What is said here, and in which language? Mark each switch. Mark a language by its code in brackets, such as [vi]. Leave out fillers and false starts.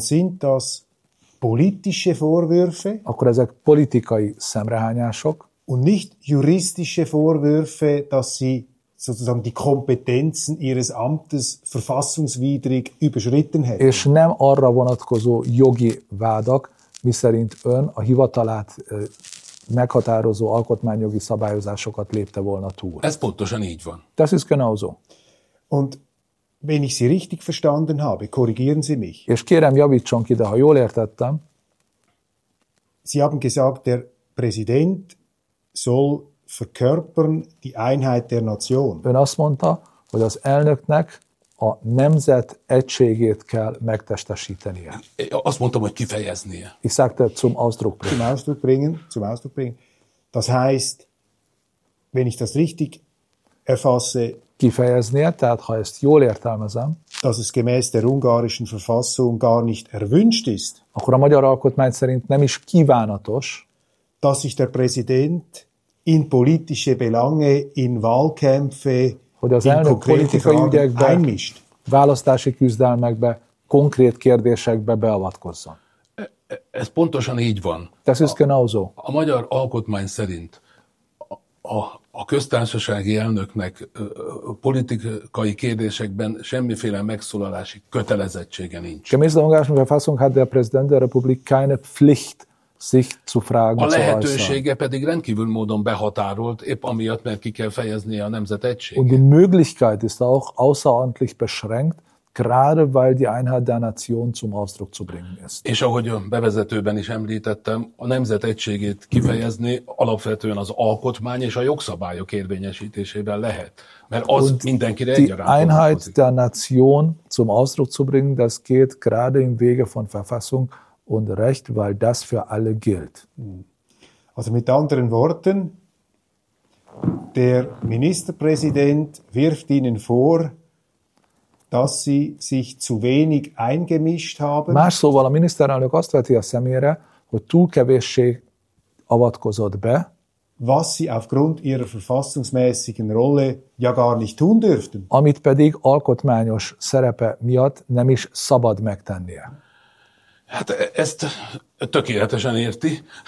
[de] sind das politische Vorwürfe, [hu] akkor ezek politikai szemrehányások, [de] und nicht juristische Vorwürfe, dass sie sozusagen die Kompetenzen ihres Amtes verfassungswidrig überschritten hätten. [hu] És nem arra vonatkozó jogi vádak, miszerint ön a hivatalát meghatározó alkotmányjogi szabályozásokat lépte volna túl. Ez pontosan így van. [de] Das ist genauso. Und wenn ich Sie richtig verstanden habe, korrigieren Sie mich. [hu] És kérem, javítson ki, de ha jól értettem. [de] Sie haben gesagt, der Präsident soll verkörpern die Einheit der Nation. [hu] Ön azt mondta, hogy az elnöknek a nemzet egységét kell megtestesítenie. Azt mondtam, hogy kifejeznie. [de] Ich sagte, zum Ausdruck bringen. Zum Ausdruck bringen. Das heißt, wenn ich das richtig erfasse, [hu] kifejeznie, tehát ha ezt jól értelmezem, [de] dass es gemäß der ungarischen Verfassung gar nicht erwünscht ist, [hu] akkor a magyar alkotmány szerint nem is kívánatos, [de] dass sich der Präsident in politische Belange, in Wahlkämpfe, [hu] hogy az elnök politikai ügyekbe, [de] einmischt. [hu] Választási küzdelmekbe, konkrét kérdésekbe beavatkozzon. Ez pontosan így van. [de] Das ist genauso. [hu] A magyar alkotmány szerint a köztársasági elnöknek politikai kérdésekben semmiféle megszólalási kötelezettsége nincs. [de] Gemäß der Ungarischen Verfassung hat der Präsident der Republik keine Pflicht, sich zu fragen. [hu] A lehetősége pedig rendkívül módon behatárolt, épp amiatt, mert ki kell fejeznie a nemzet egységét. [de] Und die Möglichkeit ist auch außerordentlich beschränkt, gerade weil die Einheit der Nation zum Ausdruck zu bringen ist. [hu] És ahogy a bevezetőben is említettem, a nemzet egységét kifejezni alapvetően az alkotmány és a jogszabályok érvényesítésében lehet, mert az mindenkire egyaránt. [de] Die Einheit der Nation zum Ausdruck zu bringen, das geht gerade im Wege von Verfassung und Recht, weil das für alle gilt. Also mit anderen Worten, der Ministerpräsident wirft Ihnen vor, dass Sie sich zu wenig eingemischt haben. [hu] Más szóval a miniszterelnök azt veti a szemére, hogy túl kevéssé avatkozott be, [de] was Sie aufgrund Ihrer verfassungsmäßigen Rolle ja gar nicht tun dürften. [hu] Amit pedig alkotmányos szerepe miatt nem is szabad megtennie. Hát ezt tökéletesen érti.